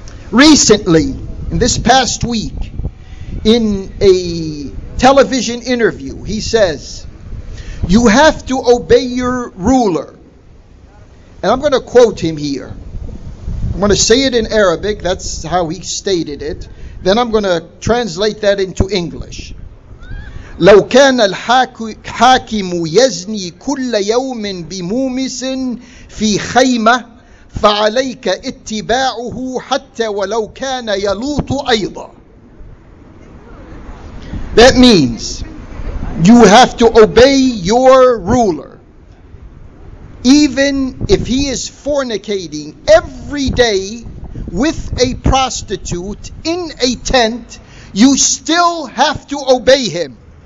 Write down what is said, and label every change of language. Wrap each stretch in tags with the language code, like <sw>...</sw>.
<en>Recently, in this past week, in a television interview, he says, you have to obey your ruler. And I'm going to quote him here. I'm going to say it in Arabic, that's how he stated it. Then I'm going to translate that into English.</en> <ar>لو كان الحاكم يزني كل يوم بمومس في خيمة فعليك اتباعه حتى ولو كان يلوط أيضا.</ar> <en>That means you have to obey your ruler. Even if he is fornicating every day with a prostitute in a tent, you still have to obey him.</en>